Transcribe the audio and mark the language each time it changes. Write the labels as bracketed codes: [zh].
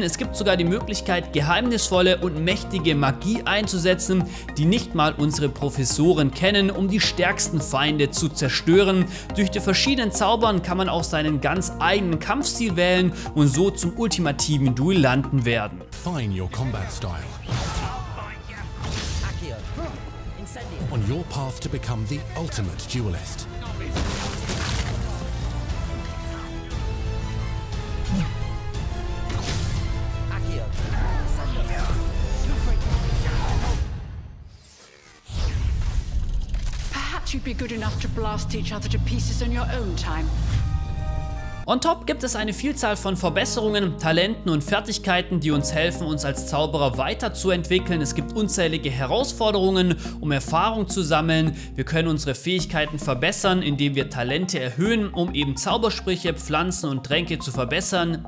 [de] Es gibt sogar die Möglichkeit, geheimnisvolle und mächtige Magie einzusetzen, die nicht mal unsere Professoren kennen, um die stärksten Feinde zu zerstören. Durch die verschiedenen Zaubern kann man auch seinen ganz eigenen Kampfstil wählen und so zum ultimativen Duellanten werden. [en] Find your combat style. On your path to become the ultimate duelist. Perhaps you'd be good enough to blast each other to pieces in your own time. [de] On top gibt es eine Vielzahl von Verbesserungen, Talenten und Fertigkeiten, die uns helfen, uns als Zauberer weiterzuentwickeln. Es gibt unzählige Herausforderungen, um Erfahrung zu sammeln. Wir können unsere Fähigkeiten verbessern, indem wir Talente erhöhen, um eben Zaubersprüche, Pflanzen und Tränke zu verbessern.